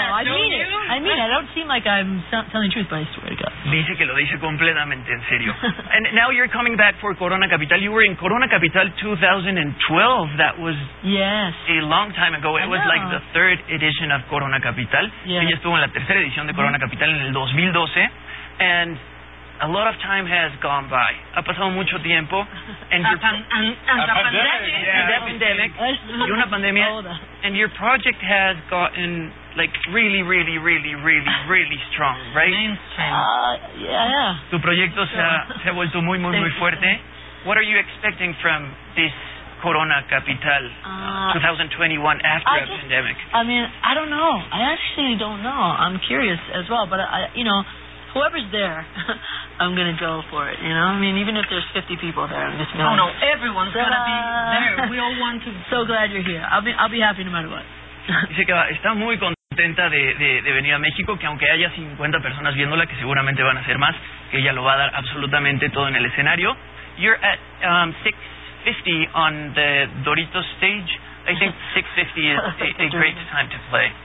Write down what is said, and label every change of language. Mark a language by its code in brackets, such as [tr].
[en] I mean it. I don't seem like I'm telling the truth, but I swear to God. [es] Dice que lo dice completamente en serio. [en] And now you're coming back for Corona Capital. You were in Corona Capital 2012. That was a long time ago. It was like the third edition of Corona Capital. Yeah. [es] Ella estuvo en la tercera edición de Corona Capital en el 2012. [en] And a lot of time has gone by. [es] Ha pasado mucho tiempo. [en] And the pandemic. [es] Y una pandemia. [en] And your project has gotten, like, really, really, really, really, really strong, right? Yeah. [es] Tu proyecto se ha vuelto muy, muy, muy fuerte. [en] What are you expecting from this Corona Capital 2021 after a pandemic? I mean, I don't know. I actually don't know. I'm curious as well. But, whoever's there... I'm going to go for it, you know? I mean, even if there's 50 people there, I'm just going. Oh, no, everyone's going to be there. We all want to. So glad you're here. I'll be happy no matter what. [es] Dice que está muy contenta de venir a México, que aunque haya 50 personas viéndola, que seguramente van a ser más, que ella lo va a dar absolutamente todo en el escenario. [en] You're at 650 on the Doritos stage. I think 650 is a great time to play.